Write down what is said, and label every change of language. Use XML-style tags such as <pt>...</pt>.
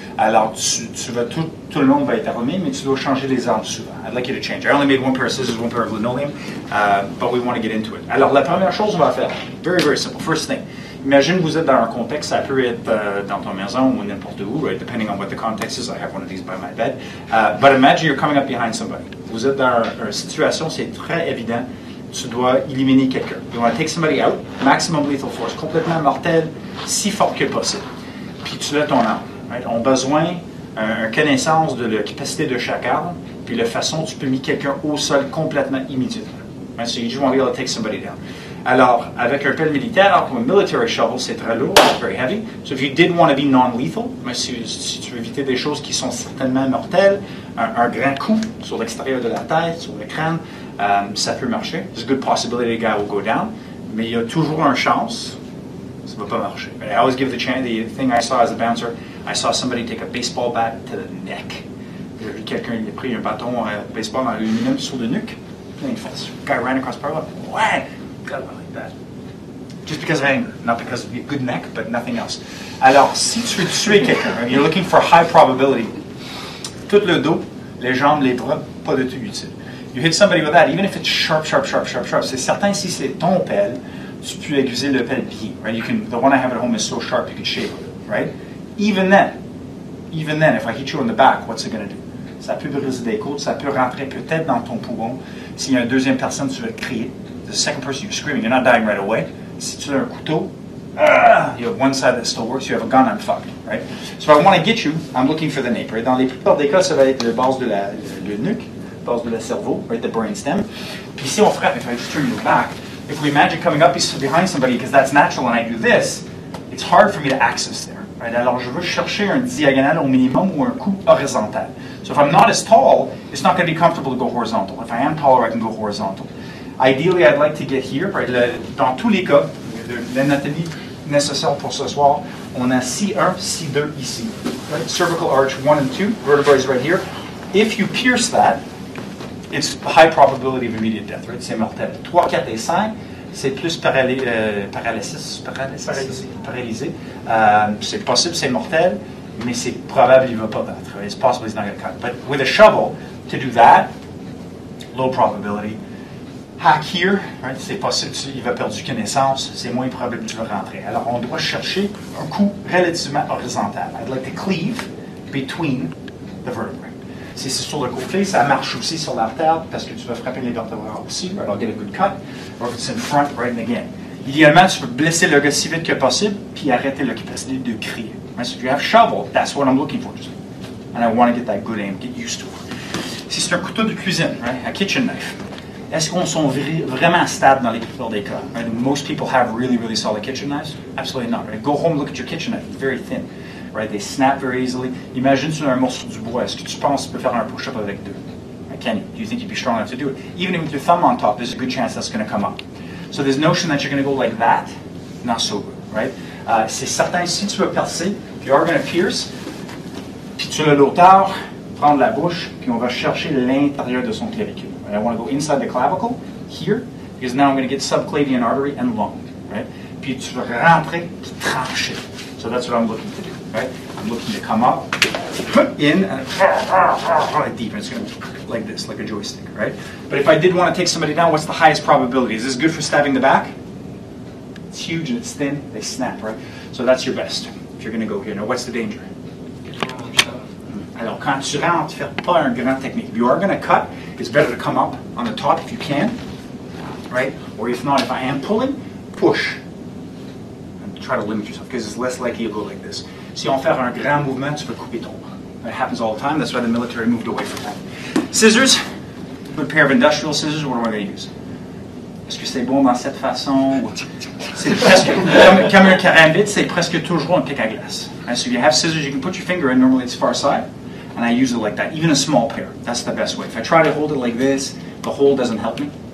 <fr>Alors, tout le monde va être armé, mais tu dois changer les armes souvent.</fr> <en>I'd like you to change. I only made one pair of scissors, one pair of linoleum, but we want to get into it.</en> <fr>Alors, la première chose, on va faire.</fr> <en>Very, very simple. First thing.</en> <fr>Imagine vous êtes dans un contexte, ça peut être dans ton maison ou n'importe où, right?</fr> <en>Depending on what the context is, I have one of these by my bed. But imagine you're coming up behind somebody.</en> <fr>Vous êtes dans une situation, c'est très évident. Tu dois éliminer quelqu'un.</fr> <en>You want to take somebody out, maximum lethal force,</en> <fr>complètement mortel, si fort que possible. Puis tu as ton arme. Right? On a besoin d'une connaissance de la capacité de chaque arme, puis la façon dont tu peux mettre quelqu'un au sol complètement immédiatement.</fr> <en>Right? So you just want to be able to take somebody down.</en> <fr>Alors, avec un pelle militaire, pour un</fr> <en>military shovel,</en> <fr>c'est très lourd, c'est très heavy.</fr> <en>So if you did want to be non-lethal,</en> <fr>si tu veux éviter des choses qui sont certainement mortelles, un grand coup sur l'extérieur de la tête, sur le crâne, ça peut marcher.</fr> <en>It's a good possibility the guy will go down.</en> <fr>Mais il y a toujours une chance, ça ne va pas marcher.</fr> <en>But I always give the chance, the thing I saw as a bouncer, I saw somebody take a baseball bat to the neck.</en> <fr>J'ai vu quelqu'un, il a pris un bâton à baseball dans l'aluminium sur le nuque. Plein de force.</fr> <en>Guy ran across the parlor. Ouais! Like that. Just because of anger, not because of your good neck, but nothing else.</en> <fr>Alors, si tu veux tuer quelqu'un,</fr> <en>and you're looking for high probability,</en> <fr>tout le dos, les jambes, les bras, pas de tout utile. You hit somebody with that, even if it's sharp, c'est certain si c'est ton pelle, tu peux aiguiser le pelle bien, right?</fr> <en>You can, the one I have at home is so sharp, you can shave with it, right? Even then, if I hit you on the back, what's it going to do?</en> <fr>Ça peut briser des côtes, ça peut rentrer peut-être dans ton poumon. S'il y a une deuxième personne, tu veux crier.</fr> <en>The second person, you're screaming, you're not dying right away.</en> <fr>Si tu as un couteau,</fr> <en>you have one side that still works, you have a gun, I'm fucked, right? So I want to get you, I'm looking for the nape, right?</en> <fr>Dans les plupart des cas, ça va être le base de le nuque, base de la cerveau, right,</fr> <en>the brain stem.</en> <fr>Puis si on frappe,</fr> <en>if I just turn your back, if we imagine coming up behind somebody, because that's natural, and I do this, it's hard for me to access there, right?</en> <fr>Alors je veux chercher un diagonal au minimum ou un coup horizontal.</fr> <en>So if I'm not as tall, it's not going to be comfortable to go horizontal. If I am taller, I can go horizontal. Ideally, I'd like to get here, right?</en> <fr>Dans tous les cas, l'anatomie nécessaire pour ce soir, on a C1, C2 ici.</fr> <en>Right? Cervical arch 1 and 2, vertebrae is right here. If you pierce that, it's high probability of immediate death, right?</en> <fr>C'est mortel. 3, 4 et 5, c'est plus paralysé. C'est possible, c'est mortel, mais c'est probable qu'il ne va pas battre.</fr> <en>It's possible he's not going to cut. But with a shovel, to do that, low probability. Hack here, right?</en> <fr>C'est possible, il va perdre connaissance, c'est moins probable que tu vas rentrer. Alors, on doit chercher un coup relativement horizontal.</fr> <en>I'd like to cleave between the vertebrae.</en> <fr>Si c'est sur le côté, ça marche aussi sur l'artère, parce que tu vas frapper les vertèbres aussi, right?</fr> <en>I'll get a good cut. Or if it's in front, right, and again.</en> <fr>Idéalement, tu peux blesser le gars si vite que possible, puis arrêter la capacité de crier.</fr> <en>Right? So if you have shovel, that's what I'm looking for. And I want to get that good aim, get used to it.</en> <fr>Si c'est un couteau de cuisine, right,</fr> <en>a kitchen knife,</en> <fr>est-ce qu'on sont vraiment stable dans les plupart des cas?</fr> <en>Right? Most people have really, really solid kitchen knives. Absolutely not. Right? Go home, look at your kitchen knife. Very thin. Right? They snap very easily.</en> <fr>Imagine sur un morceau du bois. Est-ce que tu penses que tu peux faire un push-up avec deux?</fr> <en>Can you? Do you think you'd be strong enough to do it? Even with your thumb on top, there's a good chance that's going to come up. So this notion that you're going to go like that, not so good.</en> <fr>Right? C'est certain, si tu veux percer,</fr> <en>if you are going to pierce,</en> <fr>puis tu as l'auteur, prendre la bouche, puis on va chercher l'intérieur de son clavicule.</fr> <en>I want to go inside the clavicle, here, because now I'm going to get subclavian artery and lung, right?</en> <fr>Puis tu vas rentrer, puis trancher.</fr> <en>So that's what I'm looking to do, right? I'm looking to come up, in, and deep, and it's going to like this, like a joystick, right? But if I did want to take somebody down, what's the highest probability? Is this good for stabbing the back? It's huge and it's thin, they snap, right? So that's your best, if you're going to go here. Now, what's the danger?</en> <fr>Alors, quand tu rentres, fais pas un grand technique.</fr> <en>If you are going to cut, it's better to come up on the top if you can, right? Or if not, if I am pulling, push. And try to limit yourself, because it's less likely you'll go like this.</en> <fr>Si on fait un grand mouvement, tu peux couper ton bras.</fr> <en>That happens all the time. That's why the military moved away from that. Scissors. Good pair of industrial scissors. What am I going to use?</en> <fr>Est-ce que c'est bon dans cette façon? C'est presque, comme un carambit, c'est presque toujours un pic à glace.</fr> <en>And so if you have scissors, you can put your finger in. Normally, it's far side. And I use it like that, even a small pair. That's the best way. If I try to hold it like this, the hole doesn't help me.</en>